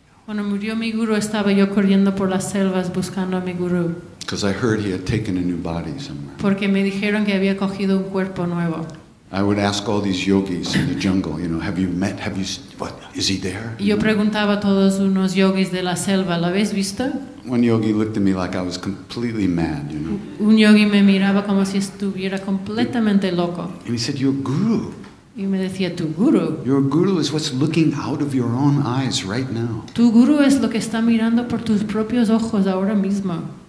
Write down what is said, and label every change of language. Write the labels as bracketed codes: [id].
[es] Cuando murió mi guru, estaba yo corriendo por las selvas buscando a mi guru. [en] Because I heard he had taken a new body somewhere. [es] Porque me dijeron que había cogido un cuerpo nuevo. [en] I would ask all these yogis in the jungle, you know, what, is he there? [es] Yo preguntaba a todos unos yogis de la selva, ¿lo habéis visto? [en] One yogi looked at me like I was completely mad, you know. [es] Un yogi me miraba como si estuviera completamente loco. [en] And he said, your guru. [es] Y me decía, tu guru. [en] Your guru is what's looking out of your own eyes right now. [es] Tu guru es lo que está mirando por tus propios ojos ahora mismo.